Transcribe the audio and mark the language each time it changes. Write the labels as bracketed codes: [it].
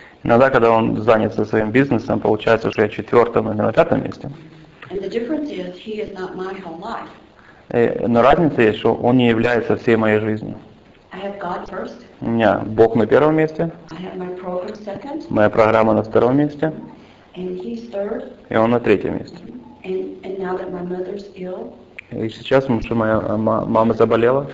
[ru] Иногда, когда он занят своим бизнесом, получается, что я четвертом или на пятом месте. [en] And the difference is, he is not my whole life. [ru] Но разница есть, что он не является всей моей жизнью. [en] I have God first. [ru] У меня Бог на первом месте. [en] I have my program second. [ru] Моя программа на втором месте. [en] And he's third. [ru] И он на третьем месте. [en] And now that my mother's ill, [ru] и сейчас, потому что моя мама заболела,